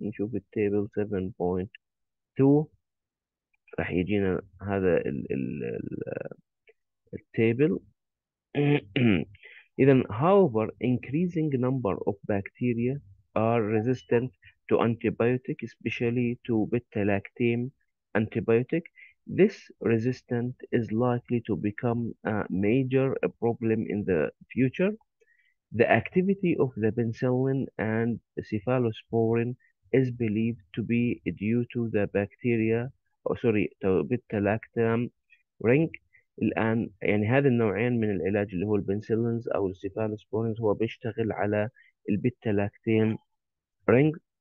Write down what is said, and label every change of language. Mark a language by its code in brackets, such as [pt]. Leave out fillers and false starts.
[ar] نشوف الـ table 7.2 راح يجينا هذا الـ table. [en] إذا however increasing number of bacteria are resistant to antibiotic especially to beta lactam antibiotic. This resistance is likely to become a major problem in the future. The activity of the penicillin and cephalosporin is believed to be due to the bacteria, oh sorry, to beta-lactam ring. [ar] الآن يعني هذا النوعين من العلاج اللي هو البنسلينز أو السيفالوسبورينز هو بيشتغل على البيتا-لاكتام رينج.